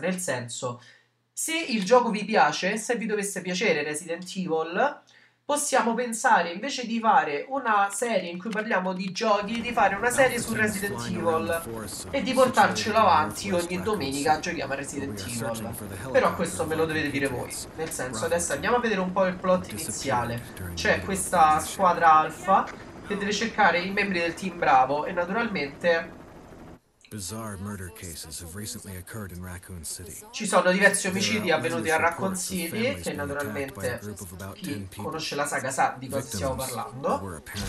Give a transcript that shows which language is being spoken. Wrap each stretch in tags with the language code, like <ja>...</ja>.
<it>Nel senso, se il gioco vi piace, se vi dovesse piacere Resident Evil, possiamo pensare, invece di fare una serie in cui parliamo di giochi, di fare una serie su Resident Evil e di portarcelo avanti ogni domenica giochiamo a Resident Evil. Però questo me lo dovete dire voi. Nel senso, adesso andiamo a vedere un po' il plot iniziale. C'è questa squadra alfa che deve cercare i membri del team Bravo e naturalmente...</it> <en>Bizarre murder cases have recently occurred in Raccoon City.</en> <it>Ci sono diversi omicidi avvenuti a Raccoon City, che naturalmente chi conosce la saga sa di cosa stiamo parlando.</it>